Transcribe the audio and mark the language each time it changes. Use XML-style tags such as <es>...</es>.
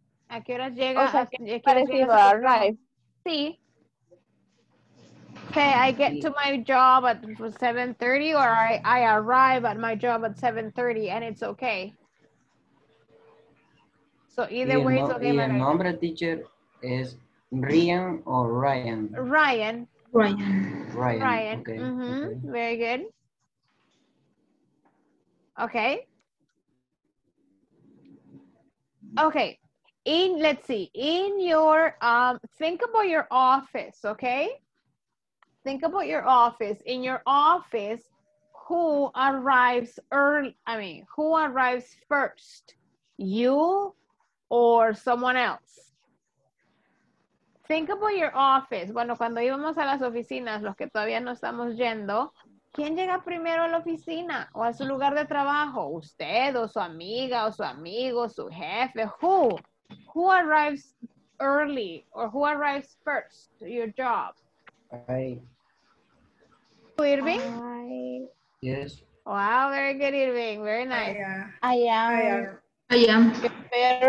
<es>¿A qué horas llega? O sea, parecido a arrive. Sí.</es> <en>Okay, I get to my job at 7:30 or I arrive at my job at 7:30 and it's okay. So either way, it's okay.</en> <es>¿Y el nombre, teacher, es Ryan or Ryan?</es> <en>Ryan. Ryan. Ryan. Ryan. Okay. Mm-hmm. Okay. Very good. Okay. Okay. In, let's see, in your, think about your office, okay? Think about your office. In your office, who arrives early, I mean, who arrives first? You or someone else? Think about your office.</en> <es>Bueno, cuando íbamos a las oficinas, los que todavía no estamos yendo, ¿quién llega primero a la oficina o a su lugar de trabajo? Usted o su amiga o su amigo, su jefe, who?</es> <en>Who arrives early or who arrives first to your job? Hi. Irving? Hi. Yes. Wow, very good, Irving. Very nice. I am. You're</en>